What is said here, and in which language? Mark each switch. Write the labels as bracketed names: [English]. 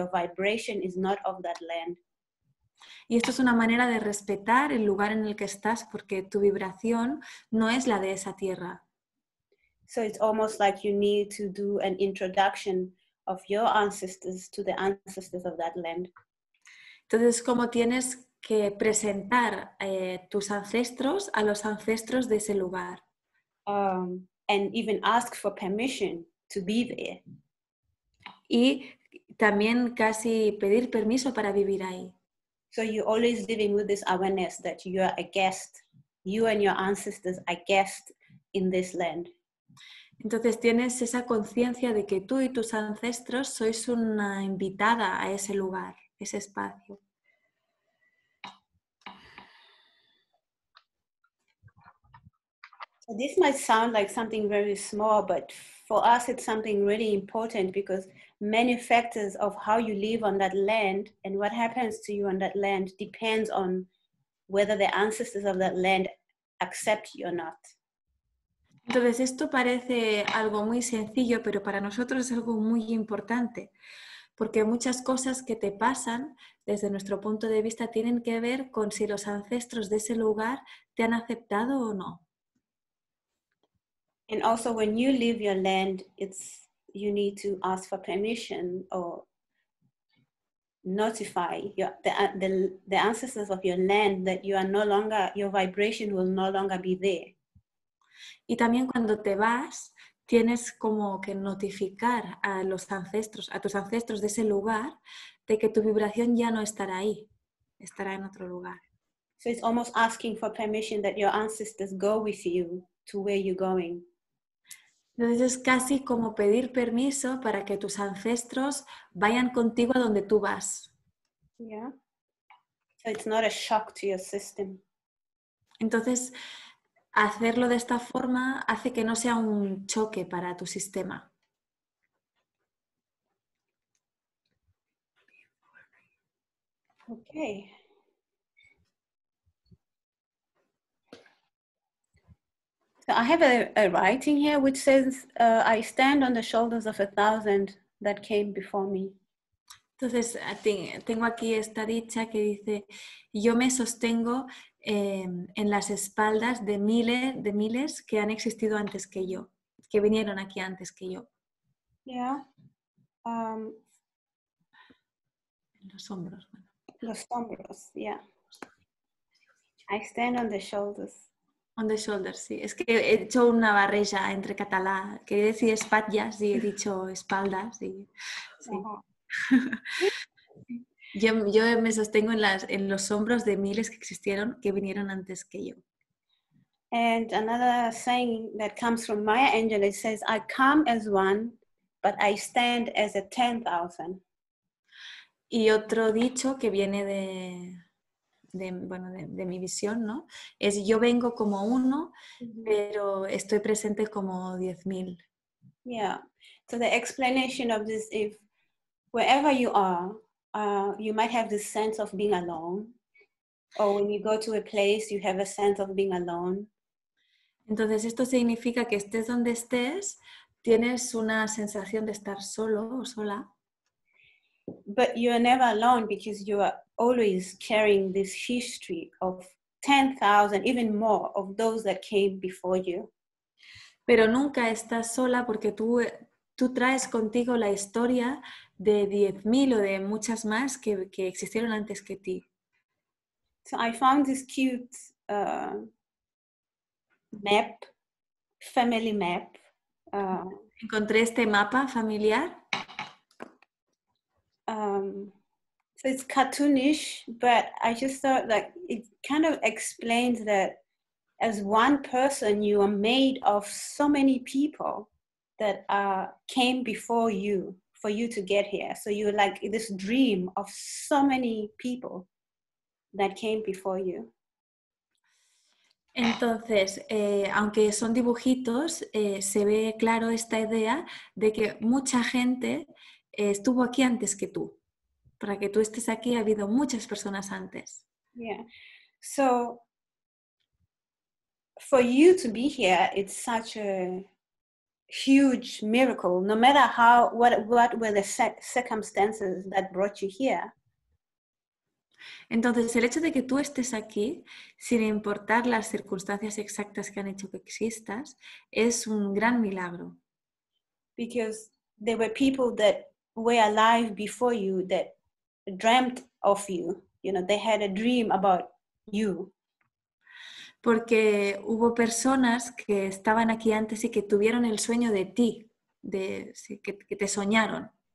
[English] Your vibration is not of that land. [Spanish] Y esto es una manera de respetar el lugar en el que estás porque tu vibración no es la de esa tierra. [English] So it's almost like you need to do an introduction of your ancestors to the ancestors of that land. [Spanish] Entonces, ¿cómo tienes que presentar tus ancestros a los ancestros de ese lugar? [English] And even ask for permission to be there. [Spanish] Y también casi pedir permiso para vivir ahí. [English] So you're always living with this awareness that you are a guest. You and your ancestors are guests in this land. [Spanish] Entonces tienes esa conciencia de que tú y tus ancestros sois una invitada a ese lugar, ese espacio. [English] This might sound like something very small, but for us it's something really important because many factors of how you live on that land and what happens to you on that land depends on whether the ancestors of that land accept you or not. [Spanish] Entonces, esto parece algo muy sencillo, pero para nosotros es algo muy importante, porque muchas cosas que te pasan, desde nuestro punto de vista, tienen que ver con si los ancestros de ese lugar te han aceptado o no. [English] And also, when you leave your land, you need to ask for permission or notify the ancestors of your land that you are no longer, your vibration will no longer be there. [Spanish] Y también cuando te vas, tienes como que notificar a los ancestros, a tus ancestros de ese lugar, de que tu vibración ya no estará ahí, estará en otro lugar. [English] So it's almost asking for permission that your ancestors go with you to where you're going. [Spanish] Entonces es casi como pedir permiso para que tus ancestros vayan contigo a donde tú vas. [English] Yeah. So it's not a shock to your system. [Spanish] Entonces, hacerlo de esta forma hace que no sea un choque para tu sistema. [English] Okay. So I have a writing here which says, I stand on the shoulders of a thousand that came before me. [Spanish] Entonces, tengo aquí esta dicha que dice, yo me sostengo en las espaldas de miles que han existido antes que yo, que vinieron aquí antes que yo. [English] Yeah. [Spanish] Los hombros. Los hombros, [English] yeah. I stand on the shoulders. On the shoulders, sí. [Spanish] Es que he hecho una barrera entre catalá. Quería decir espatllas y he dicho espaldas. Sí. Sí. Uh-huh. Yo me sostengo en los hombros de miles que existieron, que vinieron antes que yo. [English] And another saying that comes from Maya Angelou says, I come as one, but I stand as a 10,000. [Spanish] Y otro dicho que viene de mi visión, ¿no? Es yo vengo como uno, pero estoy presente como 10,000. [English] Yeah. So the explanation of this, if wherever you are, you might have this sense of being alone, or when you go to a place, you have a sense of being alone. [Spanish] Entonces esto significa que estés donde estés, tienes una sensación de estar solo o sola. [English] But you are never alone because you are always carrying this history of 10,000, even more, of those that came before you. [Spanish] Pero nunca estás sola porque tú traes contigo la historia de 10,000 o de muchas más que existieron antes que ti. [English] So I found this cute map, family map. [Spanish] Encontré este mapa familiar. [English] So it's cartoonish, but I just thought like it kind of explains that as one person you are made of so many people that came before you for you to get here. So you're like this dream of so many people that came before you. [Spanish] Entonces, aunque son dibujitos, se ve claro esta idea de que mucha gente estuvo aquí antes que tú. Para que tú estés aquí, ha habido muchas personas antes. [English] Yeah. So, for you to be here, it's such a huge miracle. No matter what were the circumstances that brought you here. [Spanish] Entonces, el hecho de que tú estés aquí, sin importar las circunstancias exactas que han hecho que existas, es un gran milagro. [English] Because there were people that were alive before you that dreamt of you. You know, they had a dream about you. [Spanish] Porque hubo personas que estaban aquí antes y que tuvieron el sueño de ti, que te soñaron.